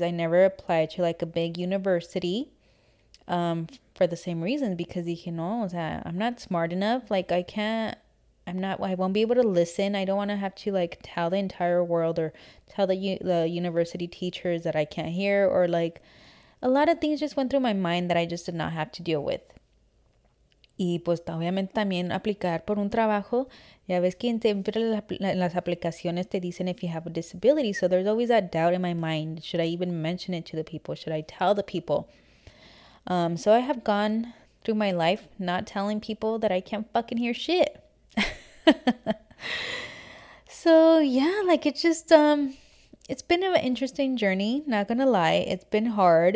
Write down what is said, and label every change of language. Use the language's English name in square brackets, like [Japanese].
[English] I never applied to like a big university. For the same reason, because [Spanish] dije, no, o sea, [English] I'm not smart enough. Like, I won't be able to listen. I don't want to have to, like, tell the entire world or tell the university teachers that I can't hear. Or, like, a lot of things just went through my mind that I just did not have to deal with. [Spanish] Y, pues, obviamente, también aplicar por un trabajo. Ya ves que siempre las aplicaciones te dicen [English] if you have a disability. So, there's always that doubt in my mind. Should I even mention it to the people? Should I tell the people? So I have gone through my life not telling people that I can't fucking hear shit. So, yeah, like, it's just, it's been an interesting journey, not gonna lie. It's been hard.